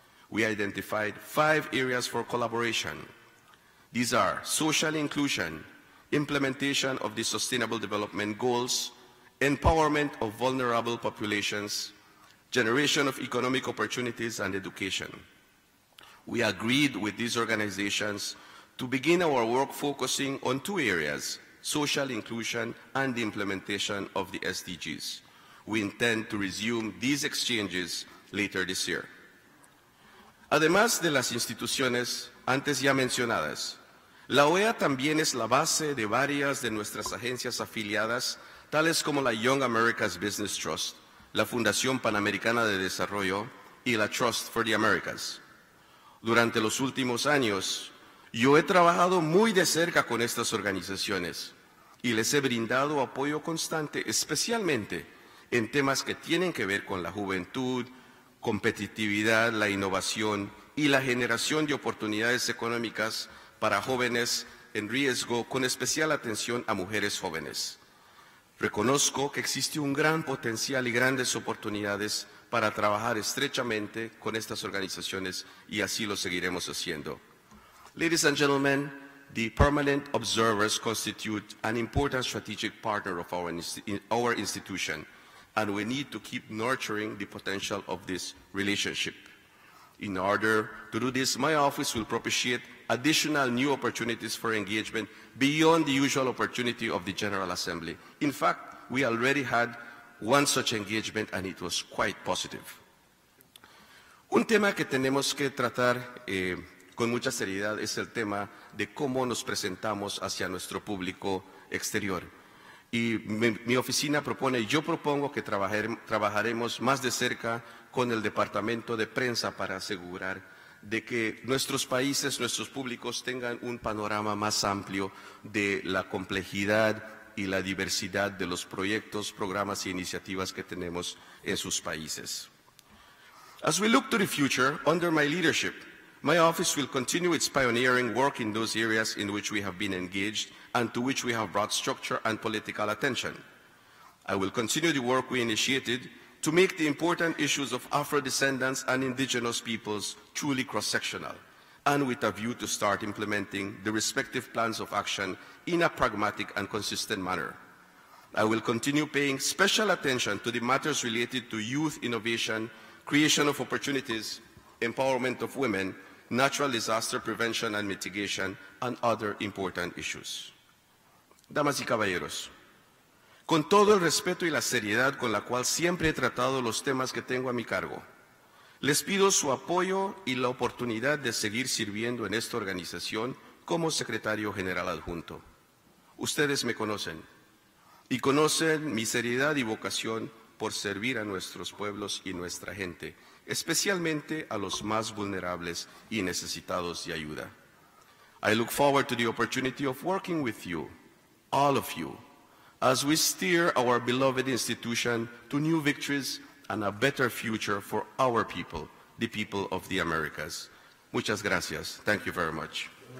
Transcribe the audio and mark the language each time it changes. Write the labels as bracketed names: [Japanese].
[English] We identified five areas for collaboration. These are social inclusion, implementation of the Sustainable Development Goals, empowerment of vulnerable populations, generation of economic opportunities, and education. We agreed with these organizations to begin our work focusing on two areas, social inclusion and the implementation of the SDGs. We intend to resume these exchanges later this year. [Spanish] Además de las instituciones antes ya mencionadas, la OEA también es la base de varias de nuestras agencias afiliadas, tales como la Young Americas Business Trust, la Fundación Panamericana de Desarrollo y la Trust for the Americas. Durante los últimos años, yo he trabajado muy de cerca con estas organizaciones y les he brindado apoyo constante, especialmente en temas que tienen que ver con la juventud, competitividad, la innovación y la generación de oportunidades económicas para jóvenes en riesgo, con especial atención a mujeres jóvenes. Reconozco que existe un gran potencial y grandes oportunidades para trabajar estrechamente con estas organizaciones, y así lo seguiremos haciendo. [English] Ladies and gentlemen, the permanent observers constitute an important strategic partner of our institution, and we need to keep nurturing the potential of this relationship. In order to do this, my office will propitiate additional new opportunities for engagement beyond the usual opportunity of the General Assembly. In fact, we already had one such engagement, and it was quite positive. [Spanish] Un tema que tenemos que tratar con mucha seriedad es el tema de cómo nos presentamos hacia nuestro público exterior. Y mi oficina propone, yo propongo que trabajaremos más de cerca con el Departamento de Prensa para asegurar de que nuestros países, nuestros públicos tengan un panorama más amplio de la complejidad y la diversidad de los proyectos, programas e iniciativas que tenemos en sus países. [English] As we look to the future, under my leadership, my office will continue its pioneering work in those areas in which we have been engaged and to which we have brought structure and political attention. I will continue the work we initiated to make the important issues of Afro-descendants and indigenous peoples truly cross-sectional, and with a view to start implementing the respective plans of action in a pragmatic and consistent manner. I will continue paying special attention to the matters related to youth innovation, creation of opportunities, empowerment of women, natural disaster prevention and mitigation, and other important issues. [Spanish] Damas y caballeros, con todo el respeto y la seriedad con la cual siempre he tratado los temas que tengo a mi cargo, les pido su apoyo y la oportunidad de seguir sirviendo en esta organización como secretario general adjunto. Ustedes me conocen y conocen mi seriedad y vocación por servir a nuestros pueblos y nuestra gente, especialmente a los más vulnerables y necesitados de ayuda. [English] I look forward to the opportunity of working with you, all of you, as we steer our beloved institution to new victories and a better future for our people, the people of the Americas. [Spanish] Muchas gracias. [English] Thank you very much.